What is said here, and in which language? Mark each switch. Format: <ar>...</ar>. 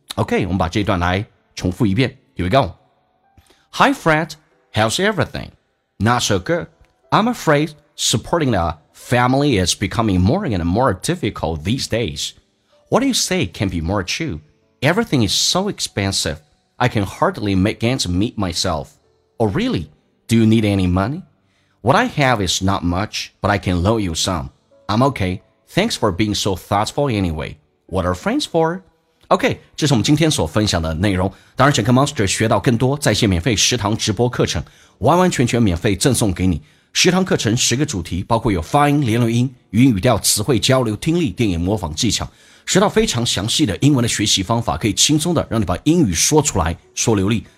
<zh>OK， 我们把这段来重复一遍。</zh> <en>Here we go。 Hi Fred，How's everything? Not so good. I'm afraid supporting a family is becoming more and more difficult these days. What do you say can be more true? Everything is so expensive. I can hardly make ends meet myself. Oh really? Do you need any money? What I have is not much, but I can loan you some. I'm okay. Thanks for being so thoughtful anyway. What are friends for?</en> <zh>OK， 这是我们今天所分享的内容。当然整个 Monster 学到更多在线免费十堂直播课程完完全全免费赠送给你。十堂课程十个主题，包括有发音、连轮音、语音语调、词汇交流、听力、电影模仿技巧，学到非常详细的英文的学习方法，可以轻松的让你把英语说出来说流利。</zh>